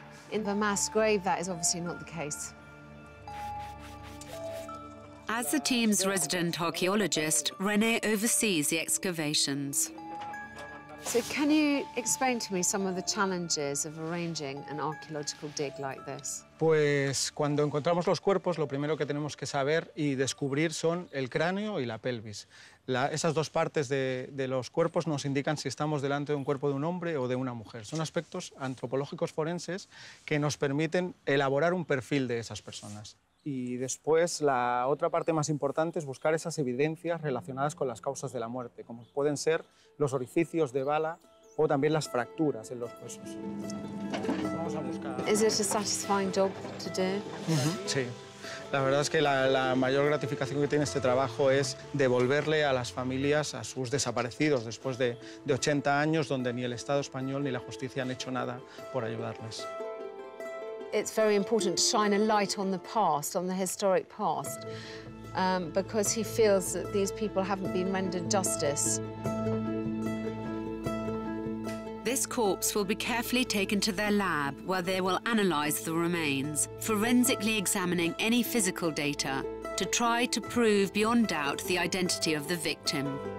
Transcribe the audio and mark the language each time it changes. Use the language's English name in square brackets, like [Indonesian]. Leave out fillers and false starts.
[English] In the mass grave, that is obviously not the case. As the team's resident archaeologist, René oversees the excavations. So can you explain to me some of the challenges of arranging an archaeological dig like this? [Spanish] Pues cuando encontramos los cuerpos, lo primero que tenemos que saber y descubrir son el cráneo y la pelvis. Esas dos partes de los cuerpos nos indican si estamos delante de un cuerpo de un hombre o de una mujer. Son aspectos antropológicos forenses que nos permiten elaborar un perfil de esas personas. Y después, la otra parte más importante es buscar esas evidencias relacionadas con las causas de la muerte, como pueden ser los orificios de bala o también las fracturas en los huesos. [English] Is it a satisfying job to do? [Spanish] Uh-huh. Sí. La verdad es que la mayor gratificación que tiene este trabajo es devolverle a las familias a sus desaparecidos después de 80 años, donde ni el Estado español ni la justicia han hecho nada por ayudarles. [English] it's very important to shine a light on the past, on the historic past, because he feels that these people haven't been rendered justice. This corpse will be carefully taken to their lab, where they will analyze the remains, forensically examining any physical data to try to prove beyond doubt the identity of the victim.